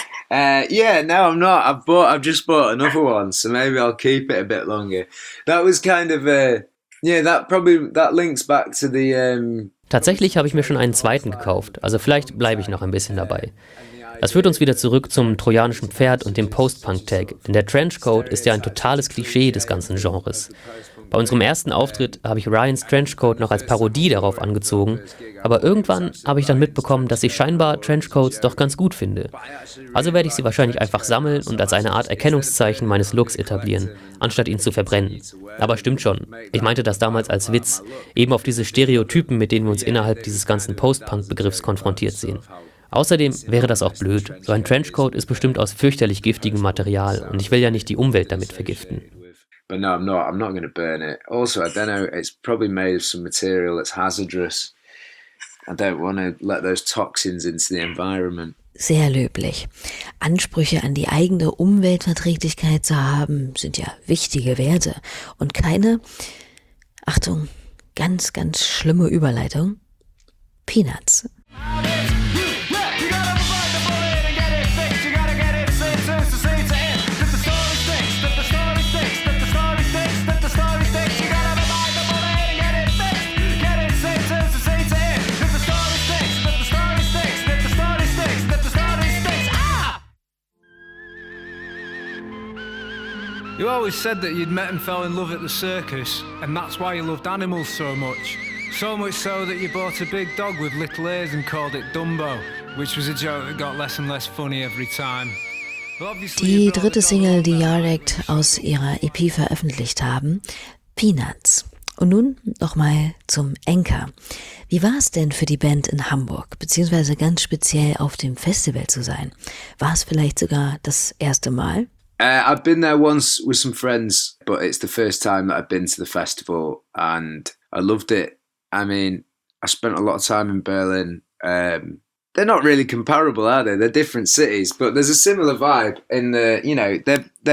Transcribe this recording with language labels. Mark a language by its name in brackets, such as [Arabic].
[English] I've just bought another one, so maybe I'll keep it a bit longer. That was kind of a, yeah, that probably, that links back to the, [German] Tatsächlich habe ich mir schon einen zweiten gekauft, also vielleicht bleibe ich noch ein bisschen dabei. Das führt uns wieder zurück zum trojanischen Pferd und dem Post-Punk-Tag, denn der Trenchcoat ist ja ein totales Klischee des ganzen Genres. Bei unserem ersten Auftritt habe ich Ryans Trenchcoat noch als Parodie darauf angezogen, aber irgendwann habe ich dann mitbekommen, dass ich scheinbar Trenchcoats doch ganz gut finde. Also werde ich sie wahrscheinlich einfach sammeln und als eine Art Erkennungszeichen meines Looks etablieren, anstatt ihn zu verbrennen. Aber stimmt schon, ich meinte das damals als Witz, eben auf diese Stereotypen, mit denen wir uns innerhalb dieses ganzen Post-Punk-Begriffs konfrontiert sehen. Außerdem wäre das auch blöd, so ein Trenchcoat ist bestimmt aus fürchterlich giftigem Material und ich will ja nicht die Umwelt damit vergiften. [English] But no, I'm not going to burn it. Also, I don't know, it's probably made of some material that's hazardous. I don't want to let those toxins into the environment. [German] Sehr löblich. Ansprüche an die eigene Umweltverträglichkeit zu haben, sind ja wichtige Werte. Und keine, Achtung, ganz, ganz schlimme Überleitung, Peanuts. [English] You always said that you'd met and fell in love at the circus, and that's why you loved animals so much. So much so that you bought a big dog with little ears and called it Dumbo, which was a joke that got less and less funny every time. [German] Die dritte Single, die Yard Act aus ihrer EP veröffentlicht haben, Peanuts. Und nun nochmal zum Anchor. Wie war es denn für die Band in Hamburg, beziehungsweise ganz speziell auf dem Festival zu sein? War es vielleicht sogar das erste Mal? [English] I've been there once with some friends, but it's the first time that I've been to the festival and I loved it. I mean, I spent a lot of time in Berlin. They're not really comparable, are they? They're different cities, but there's a similar vibe in the, you know, they're